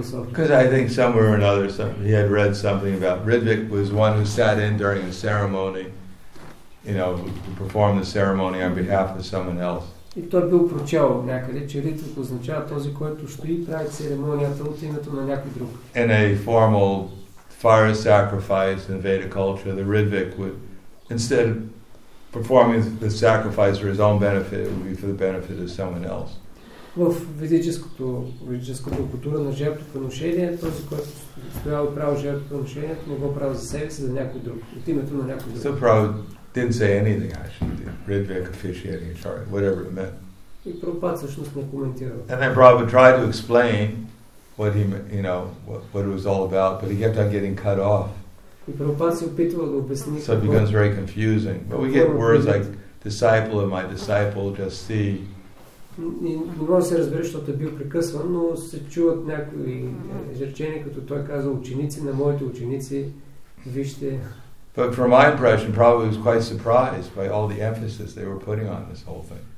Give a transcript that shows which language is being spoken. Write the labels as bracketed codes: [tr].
[en] Because I think somewhere or another he had read something about Ritvik was one who sat in during the ceremony, you know, who performed the ceremony on behalf of someone else. [bg] И той бил прочел някъде, че Ритвик означава този, който стои и прави церемонията от името на някой друг. [en] In a formal fire sacrifice in Vedic culture, the Ritvik would, instead of performing the sacrifice for his own benefit, it would be for the benefit of someone else. [bg] В ведическата култура на жертвоприношение, този, който стоял и правил жертвоприношението, не го правил за себе си, за някой друг, от името на някой друг. [en] So Prabhupada didn't say anything, actually. Ritvik officiating, sorry, whatever it meant. [bg] И Прабхупада всъщност не коментирал. [en] And then Prabhupada tried to explain what he, you know, what it was all about, but he kept on getting cut off. [bg] И Прабхупада се опитвал да обясни. [en] So it becomes very confusing. But we get words like disciple of my disciple, just see. [bg] Не мога да се разбере, защото е бил прекъсван, но се чуват някои изречения, като той каза, ученици на моите ученици, вижте. [en] But from my impression, probably was quite surprised by all the emphasis they were putting on this whole thing.